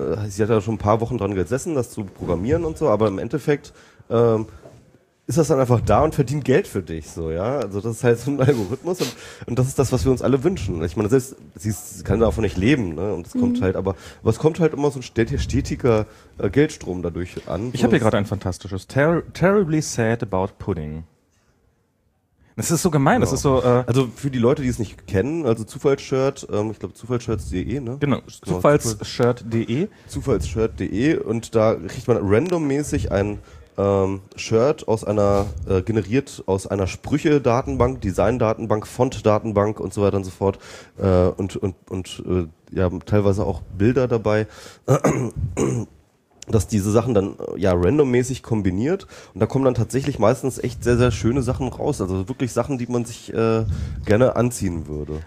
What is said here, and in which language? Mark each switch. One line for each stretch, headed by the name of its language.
German: Sie hat ja schon ein paar Wochen dran gesessen, das zu programmieren und so, aber im Endeffekt ist das dann einfach da und verdient Geld für dich, so, ja? Also, das ist halt so ein Algorithmus und das ist das, was wir uns alle wünschen. Ich meine, selbst, sie kann davon nicht leben, ne? Und es kommt halt, aber es kommt halt immer so ein stetiger Geldstrom dadurch an. Ich habe hier gerade ein fantastisches.
English: Terribly sad about pudding.
German: Das ist so gemein, genau. Das ist so. Also, für die Leute, die es nicht kennen, also Zufallsshirt, ich glaube, Zufallsshirt.de, ne? Genau, Zufallsshirt.de. Zufallsshirt.de und da kriegt man randommäßig ein Shirt aus einer generiert aus einer Sprüche-Datenbank, Design-Datenbank, Font-Datenbank und so weiter und so fort ja, teilweise auch Bilder dabei, dass diese Sachen dann ja randommäßig kombiniert und da kommen dann tatsächlich meistens echt sehr, sehr schöne Sachen raus, also wirklich Sachen, die man sich gerne anziehen würde.